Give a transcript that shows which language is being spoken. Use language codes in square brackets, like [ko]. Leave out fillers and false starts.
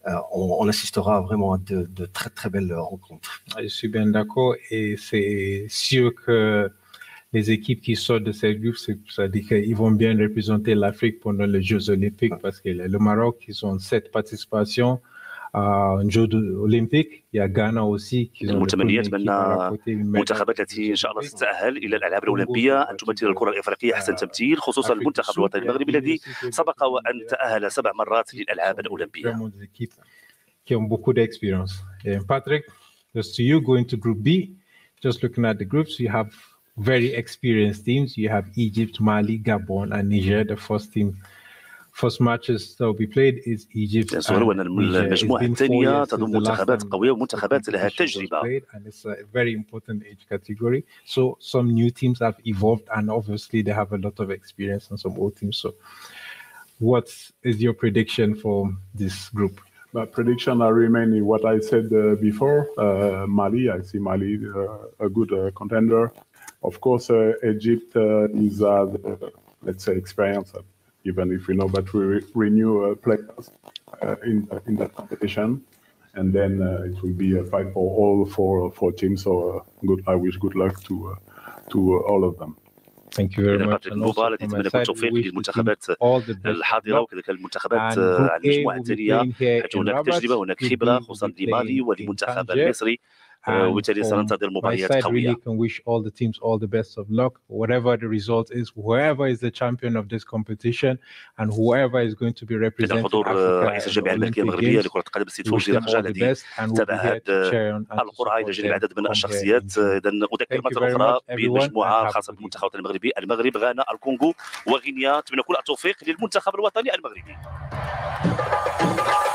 [fr] On assistera vraiment à de très très belles rencontres. Je suis bien d'accord et c'est sûr que les équipes qui sortent de ces groupes, c'est-à-dire qu'ils vont bien représenter l'Afrique pendant les Jeux Olympiques, parce que le Maroc, ils ont 7 participations à un Jeu Olympique. Il y a Ghana aussi qui [ar] ont منتخبات التي إن شاء الله ستتأهل إلى الألعاب الأولمبية أن تمثل الكرة الإفريقية أحسن تمثيل، خصوصا المنتخب الوطني المغربي الذي سبق وأن تأهل 7 مرات للألعاب الأولمبية. [fr] Qui ont beaucoup d'expérience. [en] Patrick, just to you going to Group B, just looking at the groups, you have very experienced teams. You have Egypt, Mali, Gabon and Niger, the first team. First matches that will be played is Egypt. [ar] المجموعة الثانية تضم منتخبات قوية ومنتخبات لها تجربة. [en] And it's a very important age category. So some new teams have evolved and obviously they have a lot of experience and some old teams. So what is your prediction for this group? My prediction I remain in what I said before. Mali, I see Mali a good contender. Of course, Egypt is let's say experience. Even if we know, but we renew players in that competition, and then it will be a fight for all four teams. So good. I wish good luck to all of them. Thank you very much. [ar] المباراة التي تتمنى التوفيق للمنتخبات الحاضرة وكذلك المنتخبات المجموعة الثانية، حيث هناك تجربة وهناك خبرة خصوصا لمالي ولمنتخب المصري، وبالتالي سننتظر مباريات قوية. [en] I can wish all the teams all the best of luck, whatever the result is, whoever is the champion of this competition, and whoever is going to be representing Africa. [ar] حضور رئيس الجمعية الملكية المغربية لكرة القدم السيد فوزي رجاء الذي تابع القرعة إلى جانب عدد من الشخصيات. إذا أذكر مرة أخرى بالمجموعة الخاصة بالمنتخب الوطني المغربي: المغرب، غانا، الكونغو، وغينيا. أتمنى كل التوفيق للمنتخب الوطني المغربي.